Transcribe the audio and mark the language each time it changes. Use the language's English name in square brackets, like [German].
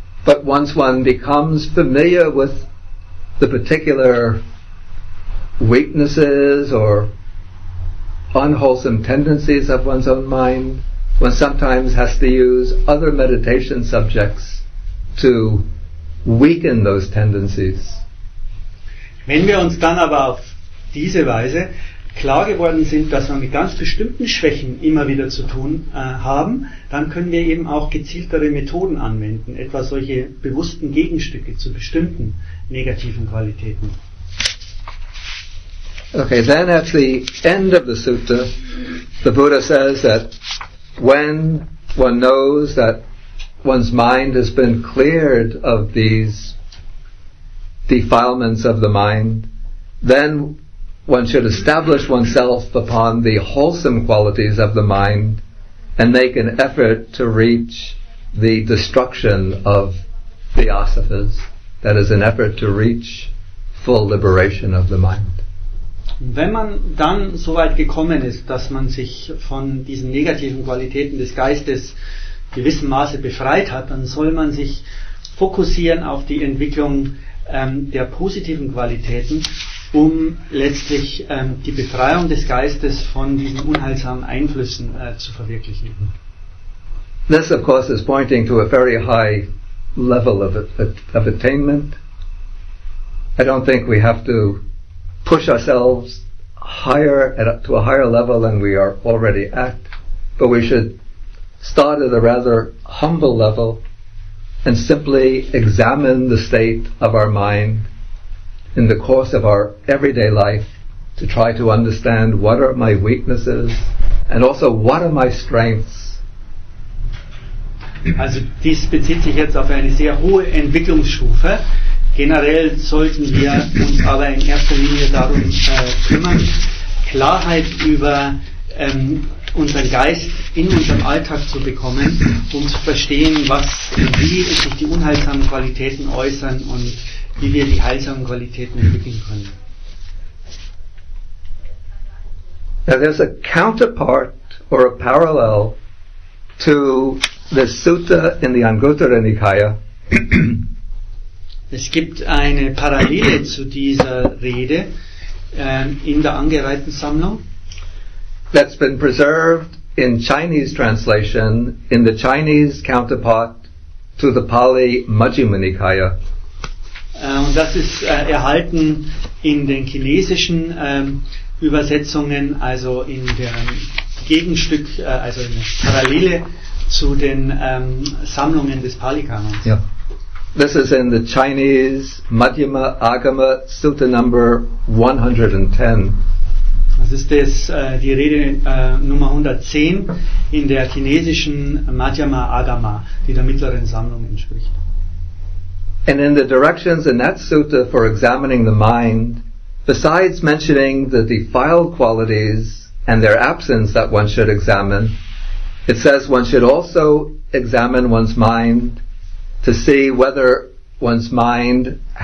[English] But once one becomes familiar with the particular weaknesses or unwholesome tendencies of one's own mind, one sometimes has to use other meditation subjects to weaken those tendencies. [German] Wenn wir uns dann aber auf diese Weise klar geworden sind, dass wir mit ganz bestimmten Schwächen immer wieder zu tun haben, dann können wir eben auch gezieltere Methoden anwenden, etwa solche bewussten Gegenstücke zu bestimmten negativen Qualitäten. [English] Okay, then at the end of the sutta, the Buddha says that when one knows that one's mind has been cleared of these defilements of the mind, then one should establish oneself upon the wholesome qualities of the mind and make an effort to reach the destruction of the asavas. That is, an effort to reach full liberation of the mind. [German] Wenn man dann so weit gekommen ist, dass man sich von diesen negativen Qualitäten des Geistes gewissem Maße befreit hat, dann soll man sich fokussieren auf die Entwicklung der positiven Qualitäten, um letztlich die Befreiung des Geistes von diesen unheilsamen Einflüssen zu verwirklichen. [English] This of course is pointing to a very high level of attainment. I don't think we have to push ourselves higher to a higher level than we are already at, but we should start at a rather humble level and simply examine the state of our mind in the course of our everyday life to try to understand what are my weaknesses and also what are my strengths. [German] Also dies bezieht sich jetzt auf eine sehr hohe Entwicklungsstufe. Generell sollten wir uns aber in erster Linie darum kümmern, Klarheit über unseren Geist in unserem Alltag zu bekommen, um zu verstehen, was und wie sich die unheilsamen Qualitäten äußern und wie wir die heilsamen Qualitäten entwickeln können. [English] Now there's a counterpart or a parallel to the sutta in the Anguttara Nikaya. [German] Es gibt eine Parallele zu dieser Rede in der angereihten Sammlung. [English] That's been preserved in Chinese translation in the Chinese counterpart to the Pali Majjhima Nikaya. [German] Und das ist erhalten in den chinesischen Übersetzungen, also in dem Gegenstück, also in der Parallele zu den Sammlungen des Pali-Kanons. [English] Yeah. This is in the Chinese Madhyama Agama Sutta number 110. [German] Das ist das, die Rede Nummer 110 in der chinesischen Madhyama Agama, die der mittleren Sammlung entspricht. [English] And in the directions in that sutta for examining the mind, besides mentioning the defiled qualities and their absence that one should examine, it says one should also examine one's mind to see whether one's mind